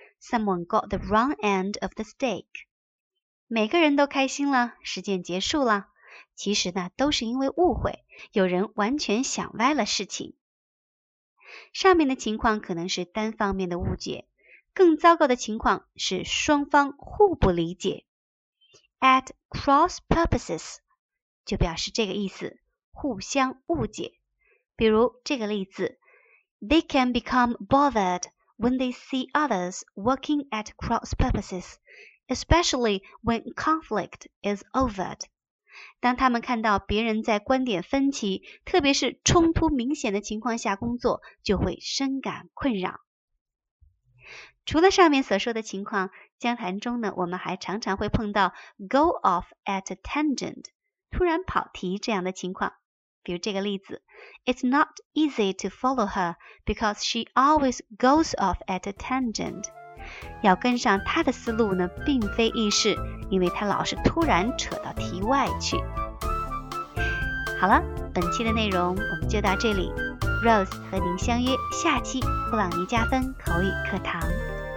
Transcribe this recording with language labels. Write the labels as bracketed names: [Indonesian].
[English] Someone got the wrong end of the stick. [Chinese] 每个人都开心了，事件结束了。其实呢，都是因为误会，有人完全想歪了事情。上面的情况可能是单方面的误解，更糟糕的情况是双方互不理解。 [English] At cross purposes [Chinese] 就表示这个意思，互相误解。比如这个例子 [English] ,They can become bothered. When they see others working at cross purposes, especially when conflict is overt. [Chinese] 当他们看到别人在观点分歧，特别是冲突明显的情况下工作，就会深感困扰。除了上面所说的情况，交谈中呢，我们还常常会碰到 [English] go off at a tangent, [Chinese] 突然跑题这样的情况。比如这个例子 [English] It's not easy to follow her because she always goes off at a tangent. [Chinese] 要跟上她的思路呢并非易事，因为她老是突然扯到题外去。好了，本期的内容我们就到这里。Rose 和您相约下期布朗尼加分口语课堂。